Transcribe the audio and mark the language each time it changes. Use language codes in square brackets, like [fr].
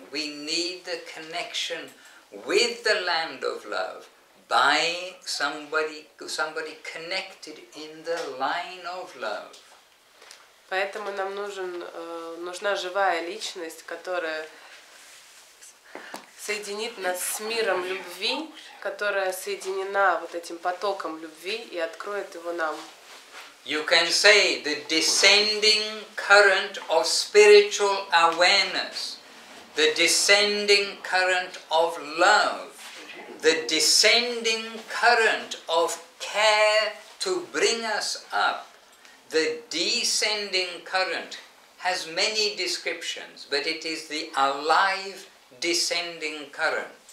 [en] We need the connection with the land of love by somebody connected in the line of love. [ru] Поэтому нам нужен нужна живая личность, которая соединит нас с миром любви, которая соединена вот этим потоком любви и откроет его нам. [en] You can say the descending current of spiritual awareness. The descending current of love, the descending current of care to bring us up, the descending current has many descriptions, but it is the alive descending current.